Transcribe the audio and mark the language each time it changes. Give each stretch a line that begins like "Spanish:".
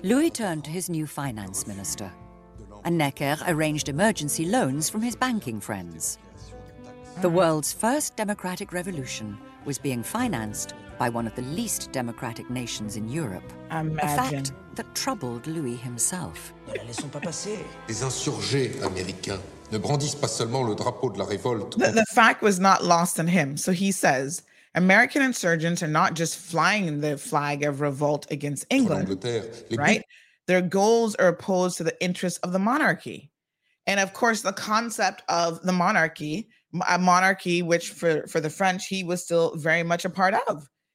English: Louis turned to his new finance minister, and Necker arranged emergency loans from his banking friends. The world's first democratic revolution was being financed by one of the least democratic nations in Europe. Imagine. A fact that troubled Louis himself.
French: Les insurgés américains ne brandissent pas seulement le drapeau de la révolte.
English: The fact was not lost on him. So he says, American insurgents are not just flying the flag of revolt against England, right? Their goals are opposed to the interests of the monarchy. And of course, the concept of the monarchy, a monarchy which for the French, he was still very much a part of.